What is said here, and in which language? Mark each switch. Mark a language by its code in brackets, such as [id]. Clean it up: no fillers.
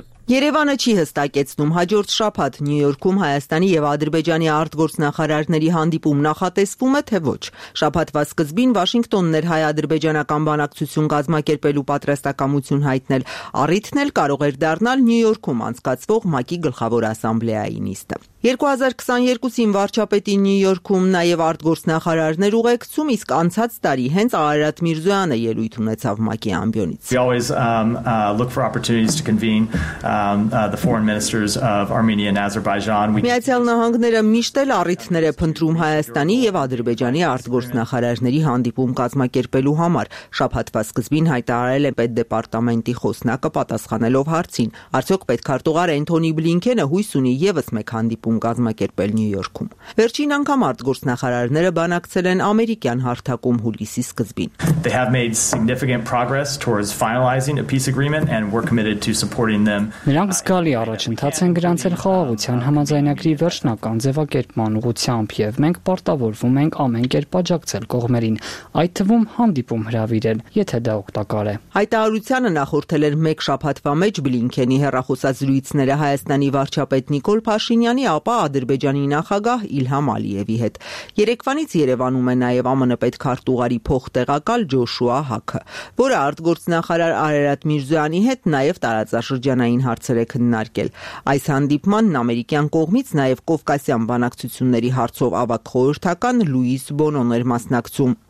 [hy] Երևանը չի հստակեցնում հաջորդ շաբաթ Նյու Յորքում Հայաստանի եւ Ադրբեջանի արտգործնախարարների հանդիպում նախատեսվում է, թե ոչ։ Շաբաթվա սկզբին Վաշինգտոնն էր հայ-ադրբեջանական բանակցություն կազմակերպելու պատրաստակամություն հայտնել, առիթն էլ կարող էր դառնալ Նյու Յորքում անցկացվող ՄԱԿ-ի գլխավոր ասամբլեայի նիստը։ 2022-ին վարչապետի Նյու Յորքում նաև արտգործնախարարներ ուղեկցում, իսկ անցած տարի հենց Արարատ Միրզոյանը ելույթ ունեցավ ՄԱԿ-ի ամբիոնից։ [en] We always look for opportunities to convene the foreign ministers of Armenia and Azerbaijan. [hy] Միացյալ Նահանգները միշտ էլ առիթներ է փնտրում Հայաստանի եւ Ադրբեջանի արտգործնախարարների հանդիպում կազմակերպելու համար։ Շաբաթվա սկզբին հայտարարել է Պետդեպարտամենտի խոսնակը պատասխանելով հարցին. արդյոք պետքարտուղար Էնթոնի Բլինքենը հույս ունի եւս մեկ հանդիպ պում կազմակերպել Նյու Յորքում։ Վերջին անգամ արտգործնախարարները բանակցել են ամերիկյան հարթակում հուլիսի սկզբին։ [en] They have made significant progress towards finalizing a peace agreement and we're committed to supporting them։ [hy] Նրանք զգալի առաջընթաց են գրանցել խաղաղության համաձայնագրի վերջնական ձևակերպման ուղղությամբ եւ մենք պարտավորվում ենք ամեն կերպ աջակցել կողմերին, այդ թվում հանդիպում հրավիրել, եթե դա օգտակար է։ Հայտարարությունը նախորդել էր մեկ շաբաթվա մեջ Բլինքենի հեռախոսած զրույցները Հայաստանի վարչապետ Նիկոլ Փաշինյանի Նյանի ապա Ադրբեջանի նախագահ Իլհամ Ալիևի հետ։ Երեկվանից Երևանում է նաև ԱՄՆ պետքարտուղարի փոխտեղակալ Ջոշուա Հաքը, որը արտգործնախարար Արարատ Միրզոյանի հետ նաև տարածաշրջանային հարցեր է քննարկել։ Այս հանդիպման ամերիկյան կողմից նաև Կովկասյան բանակցությունների հարցով ավագ խորհրդական Լուիս Բոնոն էր մասնակցում։